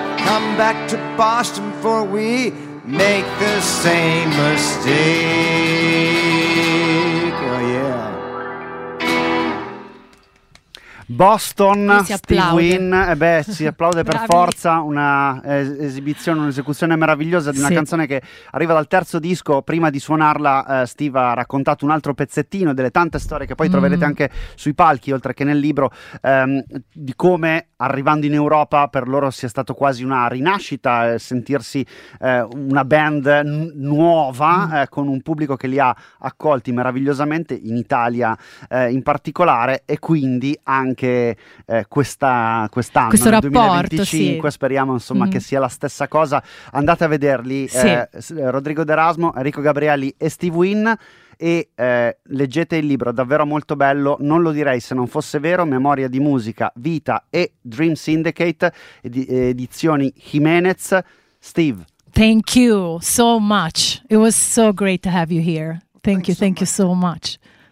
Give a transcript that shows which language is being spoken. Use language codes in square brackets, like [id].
[en] Come back to Boston before we make the same mistake. Oh yeah. [it] Boston, Steve Wynn, beh, si applaude per forza, una esibizione, un'esecuzione meravigliosa di una canzone che arriva dal terzo disco. Prima di suonarla Steve ha raccontato un altro pezzettino delle tante storie che poi troverete anche sui palchi, oltre che nel libro, di come arrivando in Europa per loro sia stato quasi una rinascita, sentirsi una band nuova con un pubblico che li ha accolti meravigliosamente, in Italia in particolare, e quindi anche quest'anno, questo rapporto, 2025, sì. Speriamo insomma che sia la stessa cosa. Andate a vederli, Rodrigo D'Erasmo, Enrico Gabrielli e Steve Wynn, e leggete il libro, davvero molto bello. Non lo direi se non fosse vero: Memoria di musica, vita e Dream Syndicate, edizioni Jimenez. [en] Steve, thank you so much. It was so great to have you here. Thank you so much.